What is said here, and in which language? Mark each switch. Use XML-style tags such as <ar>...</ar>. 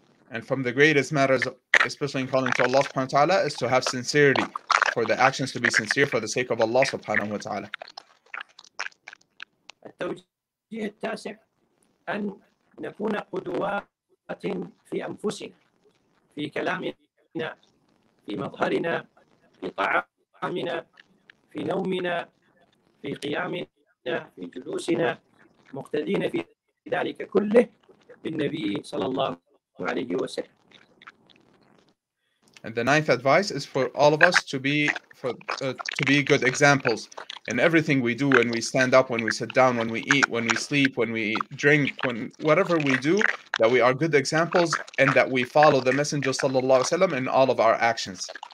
<en>And from the greatest matters, especially in calling to Allah subhanahu wa ta'ala, is to have sincerity, for the actions to be sincere for the sake of Allah subhanahu wa ta'ala.</en> <ar>التوجيه التاسع أن نكون قدوات في أنفسنا، في كلامنا، في مظهرنا، في طعامنا، في نومنا، في قيامنا، في جلوسنا، مقتدين في ذلك كله بالنبي صلى الله عليه وسلم.</ar> <en>And the ninth advice is for all of us to be to be good examples in everything we do, when we stand up, when we sit down, when we eat, when we sleep, when we drink, when whatever we do, that we are good examples and that we follow the Messenger sallallahu alaihi wasallam in all of our actions.</en>